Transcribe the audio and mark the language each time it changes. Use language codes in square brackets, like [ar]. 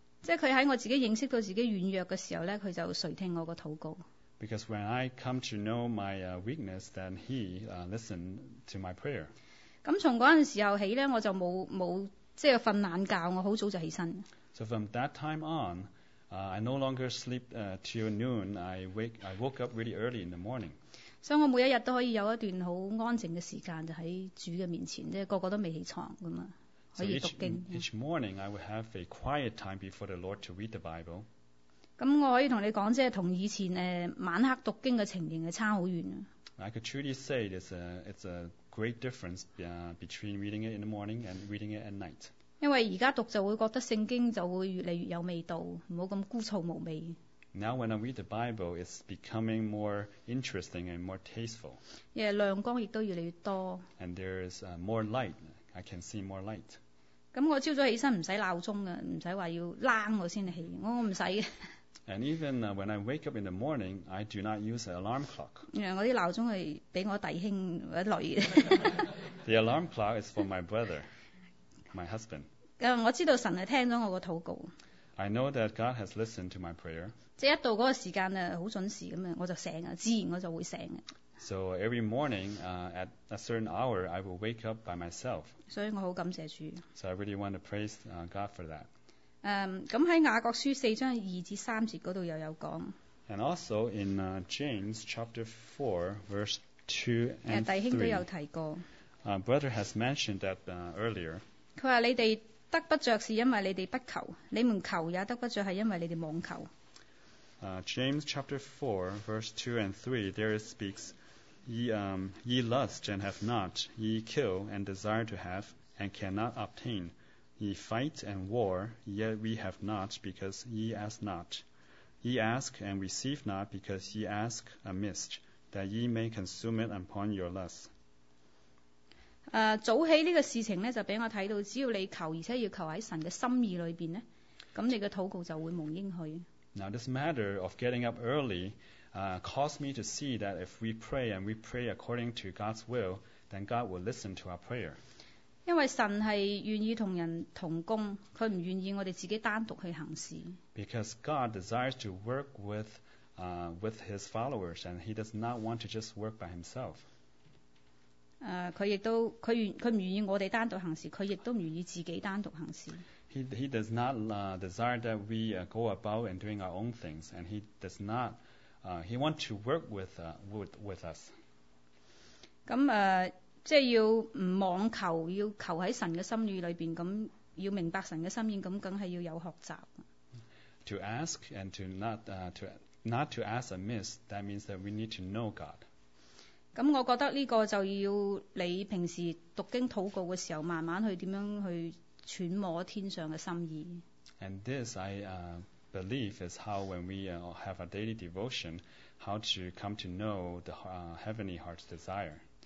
[yue] 即係佢喺我自己認識到自己軟弱嘅時候咧，佢就垂聽我個禱告。 [en] Because when I come to know my weakness, then he listened to my prayer. [yue] 咁從嗰陣時候起咧，我就冇即係瞓懶覺，我好早就起身。 [en] So from that time on, I no longer sleep till noon. I woke up really early in the morning. [yue] 所以我每一日都可以有一段好安靜嘅時間，就喺主嘅面前，即係個個都未起床咁啊。 [en] So each morning I would have a quiet time before the Lord to read the Bible. [yue] 咁我可以同你讲，即系同以前晚黑读经嘅情形系差好远啊。 [en] I could truly say it's a great difference between reading it in the morning and reading it at night. [yue] 因为而家读就会觉得圣经就会越嚟越有味道，唔好咁枯燥无味。 [en] Now when I read the Bible, it's becoming more interesting and more tasteful. [yue] 而亮光亦都越嚟越多。 [en] And there is more light. I can see more light. [yue] 咁我朝早起身唔使闹钟嘅，唔使话要啷我先起，我唔使嘅。 [en] And even when I wake up in the morning, I do not use an alarm clock. [yue] 我啲闹钟系俾我弟兄或者女嘅。 [en] The alarm clock is for my brother, my husband. [yue] 咁我知道神系听咗我个祷告。 [en] I know that God has listened to my prayer. [yue] 即系一到嗰个时间啊，好准时咁啊，我就醒啊，自然我就会醒啊。 [en] So every morning at a certain hour, I will wake up by myself. [yue] 所以我好感謝主。 [en] So I really want to praise God for that. [yue] 咁喺雅各書四章二至三節嗰度又有講。 [en] And also in James chapter 4, verse 2 and 3. [yue] 弟兄都有提過。 [en] Brother has mentioned that earlier. [yue] 佢話：你哋得不著是因為你哋不求，你們求也得不著是因為你哋妄求。 [en] James chapter 4, verse 2 and 3, there it speaks, ye lust and have not, ye kill and desire to have, and cannot obtain. Ye fight and war, yet we have not, because ye ask not. Ye ask and receive not, because ye ask amiss, that ye may consume it upon your lusts. [yue] 早起呢个事情咧，就俾我睇到，只要你求，而且要求喺神嘅心意里边咧，咁你嘅祷告就会蒙应许。 [en] Now this matter of getting up early, caused me to see that if we pray and we pray according to God's will, then God will listen to our prayer. [yue] 因为神系愿意同人同工，佢唔愿意我哋自己单独去行事。 [en] Because God desires to work with His followers, and He does not want to just work by Himself. [yue] 佢唔愿意我哋单独行事，佢亦都唔愿意自己单独行事。 [en] He does not desire that we go about and doing our own things, and he does not he want to work with us. [yue] 咁即系要唔妄求，要求喺神嘅心意里边，咁要明白神嘅心意，咁梗系要有学习。 [en] To ask and to not to ask amiss, that means that we need to know God. [yue] 咁我覺得呢個就要你平時讀經禱告嘅時候，慢慢去點樣去揣摩天上嘅心意。 [en] And this I believe is how when we have a daily devotion, how to come to know the heavenly heart's desire.